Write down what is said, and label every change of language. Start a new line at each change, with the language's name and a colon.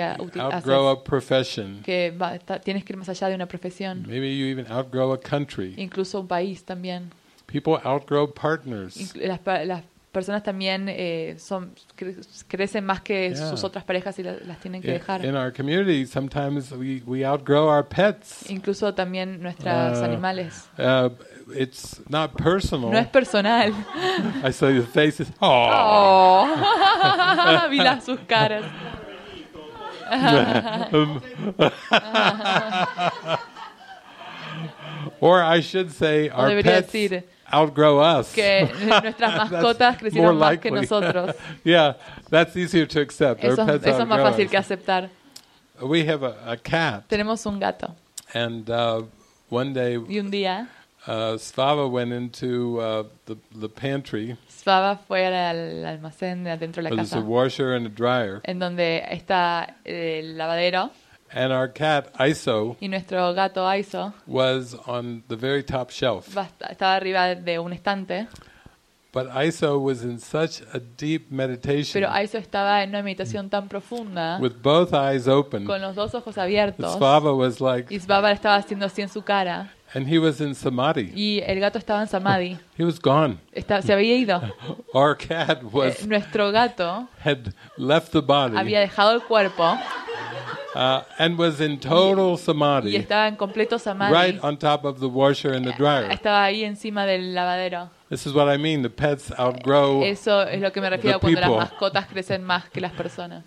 English: outgrow
Spanish: haces,
English: a profession.
Spanish: Que tienes que ir más allá de una profesión.
English: Maybe you even outgrow a country.
Spanish: Incluso un país también.
English: People outgrow partners.
Spanish: Las personas también son crecen más que
English: yeah.
Spanish: sus otras parejas y las tienen que dejar.
English: In our community, sometimes we outgrow our pets.
Spanish: Incluso también nuestros animales.
English: It's not personal.
Spanish: No es personal.
English: I saw your faces.
Spanish: Oh. Vi las sus caras.
English: Or I should say our pets outgrow us.
Spanish: Que nuestras mascotas crecieron más que nosotros.
English: Yeah, that's easier to accept.
Spanish: Eso,
English: our pets
Spanish: eso
English: outgrow
Spanish: es más fácil
English: us.
Spanish: Que aceptar.
English: We have a cat.
Spanish: Tenemos un gato.
English: And one day
Spanish: y un día
English: Svava went into the pantry.
Spanish: Svava fue al almacén adentro de la casa.
English: There's a washer and a dryer.
Spanish: En donde está el lavadero.
English: And our cat Iso.
Spanish: Y nuestro gato Iso.
English: Was on the very top shelf.
Spanish: Estaba arriba de un estante.
English: But Iso was in such a deep meditation.
Spanish: Pero Iso estaba en una meditación tan profunda.
English: With both eyes open.
Spanish: Con los dos ojos abiertos.
English: Svava was like.
Spanish: Y Svava estaba haciendo así en su cara.
English: And he was in samadhi.
Spanish: Y el gato estaba en samadhi.
English: He was gone.
Spanish: Se había ido.
English: Our cat was.
Spanish: Nuestro gato.
English: Had left the body.
Spanish: Había dejado el cuerpo.
English: And was in total samadhi.
Spanish: Y estaba en completo samadhi.
English: Right on top of the washer and the dryer.
Spanish: Estaba ahí encima del lavadero.
English: This is what I mean. The pets outgrow.
Spanish: Eso es lo que me refiero cuando las mascotas crecen más que las personas.